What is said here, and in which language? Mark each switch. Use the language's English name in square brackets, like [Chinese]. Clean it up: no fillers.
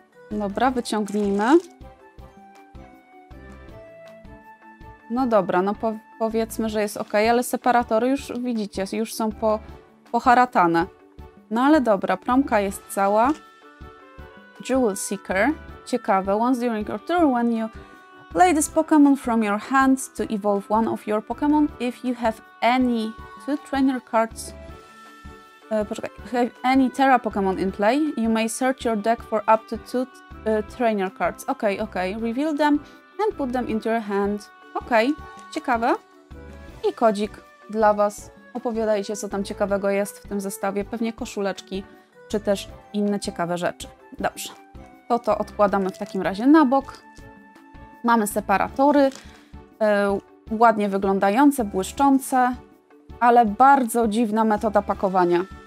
[Polish] Dobra, wyciągnijmy. No dobra, no powiedzmy, że jest ok, ale separatory już widzicie, już są poharatane. No ale dobra, promka jest cała. Jewel Seeker. Ciekawe. [English] Once during your turn, when you lay this Pokémon from your hand to evolve one of your Pokémon, if you have any two trainer cards, have any Terra Pokémon in play, you may search your deck for up to two trainer cards. Okay. Reveal them and put them into your hand. Okay. [Polish] Ciekawe. I kodzik dla was. Opowiadajcie, co tam ciekawego jest w tym zestawie. Pewnie koszuleczki, czy też inne ciekawe rzeczy. Dobrze. To odkładamy w takim razie na bok. Mamy separatory, ładnie wyglądające, błyszczące, ale bardzo dziwna metoda pakowania.